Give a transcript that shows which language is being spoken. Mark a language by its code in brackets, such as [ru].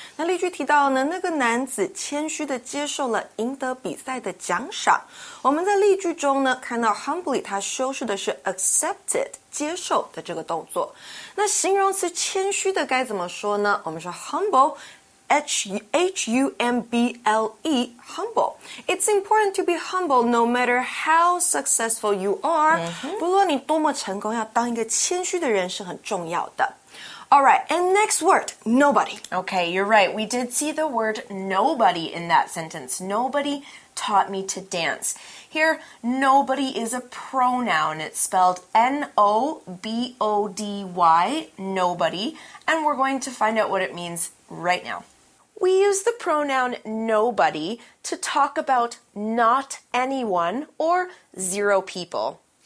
[zh] 那例句提到呢，那个男子谦虚地接受了赢得比赛的奖赏。我们在例句中呢，看到 humbly 它修饰的是 accepted, 接受的这个动作。那形容词谦虚的该怎么说呢？我们说 [en] humble,H-U-M-B-L-E, humble. It's important to be humble no matter how successful you are. [zh] 不论你多么成功，要当一个谦虚的人是很重要的。 [en] All right, and next word, nobody. Okay, you're right. We did see the word nobody in that sentence. Nobody taught me to dance. Here, nobody is a pronoun. It's spelled N-O-B-O-D-Y, nobody. And we're going to find out what it means right now. We use the pronoun nobody to talk about not anyone or zero people.